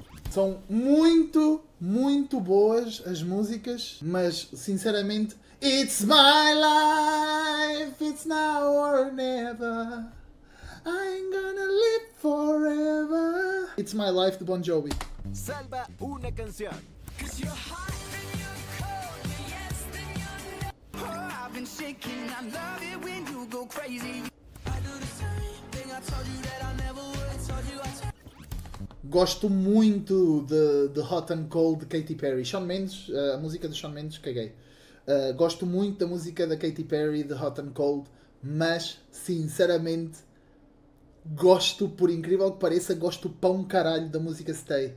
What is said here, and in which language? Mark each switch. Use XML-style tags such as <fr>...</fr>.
<pt>São muito, muito boas as músicas, mas sinceramente...</pt> <en>It's my life, it's now or never. I'm gonna live forever. It's My Life, de Bon Jovi.</en> <pt>Salva uma canção.</pt> <en>Cause you're hot and you're cold, yes, then you're not. Oh, I've been shaking, I love it when you go crazy. I do the same thing, I told you that I never would, told you I'd...</en> <pt>Gosto muito de Hot and Cold de Katy Perry. Shawn Mendes, a música de Shawn Mendes, caguei. Gosto muito da música da Katy Perry de Hot and Cold, mas, sinceramente, gosto, por incrível que pareça, gosto pão caralho da música Stay.</pt>